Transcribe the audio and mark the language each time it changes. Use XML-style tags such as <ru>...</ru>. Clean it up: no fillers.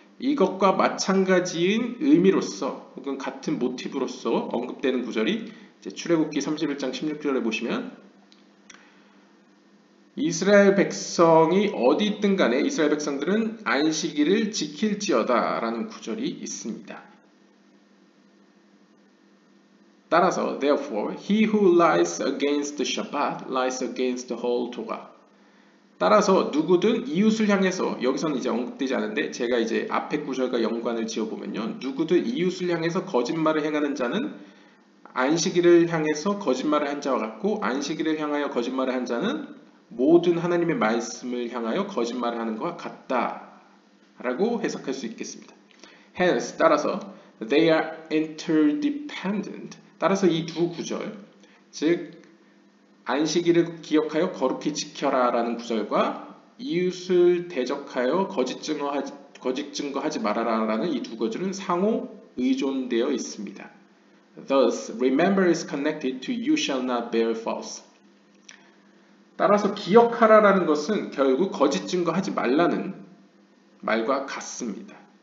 <ko>이것과 마찬가지인 의미로서 혹은 같은 모티브로서 언급되는 구절이 이제 출애굽기 31장 16절에 보시면 이스라엘 백성이 어디 있든 간에 이스라엘 백성들은 안식일을 지킬지어다 라는 구절이 있습니다. 따라서</ko> <en>therefore he who lies against the Shabbat lies against the whole Torah.</en> <ko>따라서 누구든 이웃을 향해서 여기서는 이제 언급되지 않은데 제가 이제 앞에 구절과 연관을 지어보면요. 누구든 이웃을 향해서 거짓말을 행하는 자는 안식일을 향해서 거짓말을 한 자와 같고 안식일을 향하여 거짓말을 한 자는 모든 하나님의 말씀을 향하여 거짓말을 하는 것과 같다 라고 해석할 수 있겠습니다.</ko> <en>Hence</en> <ko>따라서</ko> <en>they are interdependent.</en> <ko>따라서 이 두 구절 즉 안식일을 기억하여 거룩히 지켜라 라는 구절과 이웃을 대적하여 거짓 증거하지 말아라 라는 이 두 구절은 상호 의존되어 있습니다.</ko> <en>Thus, remember is connected to you shall not bear false.</en> <ko>따라서 기억하라 라는 것은 결국 거짓 증거하지 말라는 말과 같습니다.</ko>